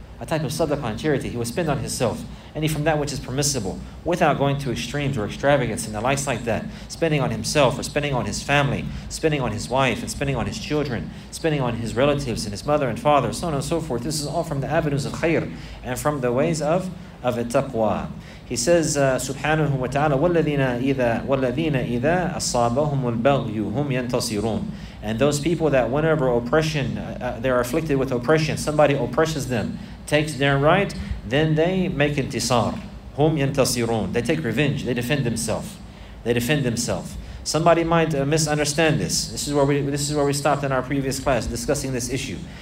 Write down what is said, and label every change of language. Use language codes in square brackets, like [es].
[en] A type of sadaqah and charity. He would spend on himself. Any from that which is permissible, without going to extremes or extravagance and the likes like that. Spending on himself or spending on his family, spending on his wife and spending on his children, spending on his relatives and his mother and father, so on and so forth. This is all from the avenues of khayr and from the ways of taqwa. He says, [ar] Subhanahu wa ta'ala, وَالَّذِينَ إِذَا أَصَابَهُمُ الْبَغْيُ هُمْ يَنْتَصِرُونَ. [en] And those people that whenever oppression, they're afflicted with oppression, somebody oppresses them, takes their right, then they make intisar. [ar] هُمْ يَنْتَصِرُونَ. [en] They take revenge, they defend themselves. They defend themselves. Somebody might misunderstand this. This is where we stopped in our previous class discussing this issue.